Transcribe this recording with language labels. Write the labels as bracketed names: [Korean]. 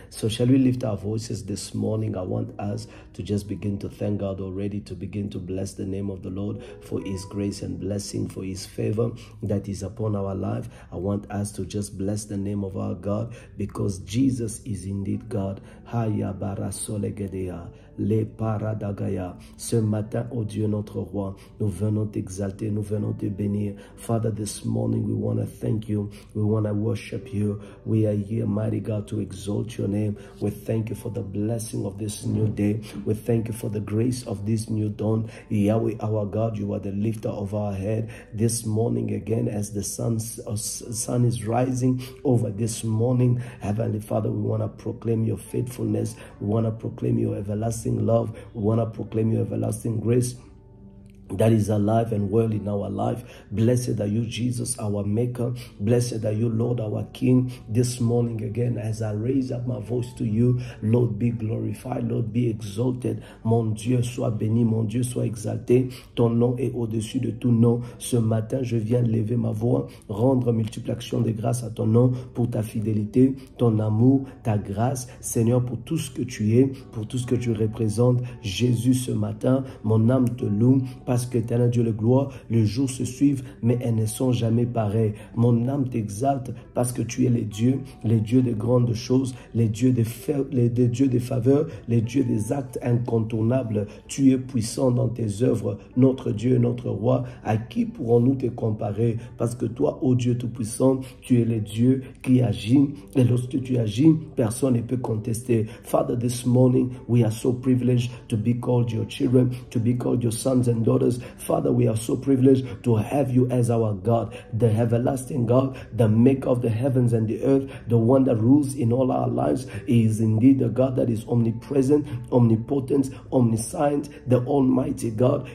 [English] So shall we lift our voices this morning? I want us to just begin to thank God already, to begin to bless the name of the Lord for his grace and blessing, for his favor that is upon our life. I want us to just bless the name of our God, because Jesus is indeed God. Haya bara sole gedea. Les paradagaya. [French] Ce matin, ô Dieu notre roi, nous venons t'exalter, nous venons te bénir. [English] Father, this morning we want to thank you, we want to worship you. We are here, mighty God, to exalt your name. We thank you for the blessing of this new day. We thank you for the grace of this new dawn. Yahweh, our God, you are the lifter of our head. This morning again, as the sun is rising over this morning, Heavenly Father, we want to proclaim your faithfulness. We want to proclaim your everlasting love. We want to proclaim your everlasting grace that is alive and well in our life. Blessed are you, Jesus, our maker. Blessed are you, Lord, our King. This morning again, as I raise up my voice to you, Lord, be glorified, Lord, be exalted. [French] Mon Dieu, sois béni, mon Dieu, sois exalté. Ton nom est au-dessus de tout nom. Ce matin, je viens lever ma voix, rendre multiple actions de grâce à ton nom pour ta fidélité, ton amour, ta grâce. Seigneur, pour tout ce que tu es, pour tout ce que tu représentes, Jésus, ce matin, mon âme te loue. Parce que t'es un Dieu de gloire, les jours se suivent, mais elles ne sont jamais pareilles. Mon âme t'exalte parce que tu es les dieux de grandes choses, les dieux de faveurs, les dieux des actes incontournables. Tu es puissant dans tes œuvres, notre Dieu, notre roi. À qui pourrons-nous te comparer? Parce que toi, ô Dieu tout-puissant, tu es le Dieu qui agit. Et lorsque tu agis, personne ne peut contester. [English] Father, this morning, we are so privileged to be called your children, to be called your sons and daughters. Father, we are so privileged to have you as our God, the everlasting God, the maker of the heavens and the earth, the one that rules in all our lives. He is indeed the God that is omnipresent, omnipotent, omniscient, the almighty God.